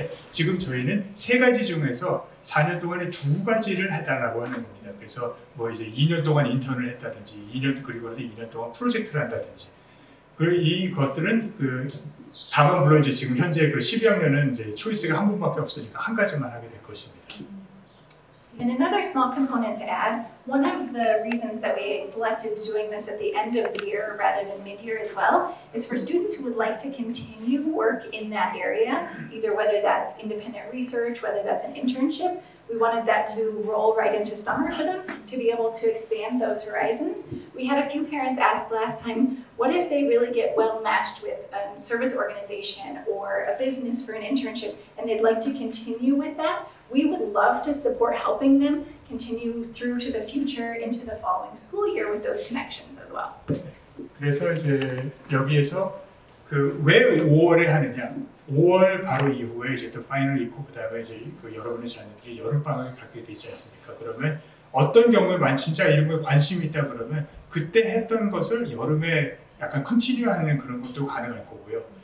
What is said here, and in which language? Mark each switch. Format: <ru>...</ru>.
<ko>지금 저희는 세 가지 중에서 4년 동안에 두 가지를 해달라고 하는 겁니다. 그래서 뭐 이제 2년 동안 인턴을 했다든지, 2년 동안 프로젝트를 한다든지. 그리고 이것들은 그 다만 물론 이제 지금 현재 그 12학년은 이제 초이스가 한 번밖에 없으니까 한 가지만 하게 될 것입니다.</ko> <en>And another small component to add, one of the reasons that we selected doing this at the end of the year rather than mid-year as well, is for students who would like to continue work in that area, either whether that's independent research, whether that's an internship, we wanted that to roll right into summer for them to be able to expand those horizons. We had a few parents ask last time, what if they really get well matched with a service organization or a business for an internship and they'd like to continue with that? We would love to support helping them continue through to the future into the following school year with those connections as well.</en> <ko>그래서 이제 여기에서 그 왜 5월에 하느냐? 5월 바로 이후에 이제 또 파이널 있고 그다음에 이제 그 여러분의 자녀들이 여름방학을 갖게 되지 않습니까? 그러면 어떤 경우에 진짜 이런 거에 관심이 있다 그러면 그때 했던 것을 여름에 약간 컨티뉴 하는 그런 것도 가능할 거고요.</ko>